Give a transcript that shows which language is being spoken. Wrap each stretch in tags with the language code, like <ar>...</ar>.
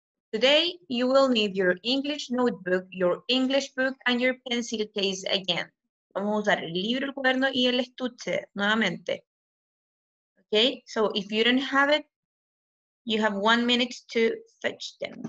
<en>Today, you will need your English notebook, your English book, and your pencil case again.</en> <es>Vamos a usar el libro, el cuaderno y el estuche nuevamente.</es> <en>Okay, so if you don't have it, you have 1 minute to fetch them.</en>